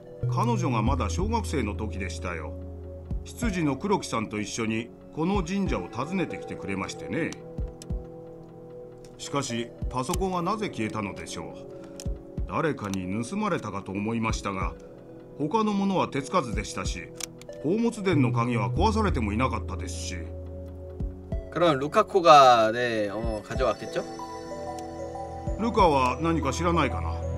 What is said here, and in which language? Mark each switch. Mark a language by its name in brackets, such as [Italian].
[Japanese] 彼女がまだ小学生の時でしたよ。執事の黒木さんと一緒にこの神社を訪ねてきてくれましてね。しかしパソコンはなぜ消えたのでしょう。誰かに盗まれたかと思いましたが、 他のものは手つかずでしたし、 宝物殿の鍵は壊されてもいなかったですし。 [Korean] 그럼 루카코가 네, 가져왔겠죠? [Japanese] 루카は何か知らないかな?